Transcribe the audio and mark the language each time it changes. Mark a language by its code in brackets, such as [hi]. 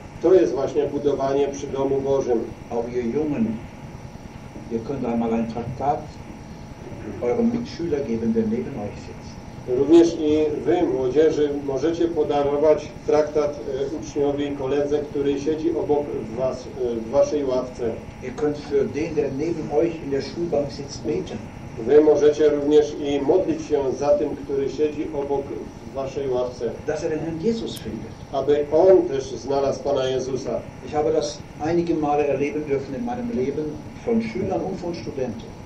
[pl] To jest właśnie budowanie przy domu Bożym. [de] Auch ihr Jungen, ihr könnt einmal ein Traktat eurem Mitschüler geben, der neben euch sitzt. [pl] Również i wy, młodzieży, możecie podarować traktat uczniowi, koledze, który siedzi obok was, w waszej ławce. [de] Ihr könnt für den, der neben euch in der Schulbank sitzt, beten. [pl] Wy możecie również i modlić się za tym, który siedzi obok w waszej ławce. [de] Dass er den Herrn Jesus findet. [pl] Aby on też znalazł Pana Jezusa. [de] Ich habe das einige Male erleben dürfen in meinem Leben von Schülern und von Studenten.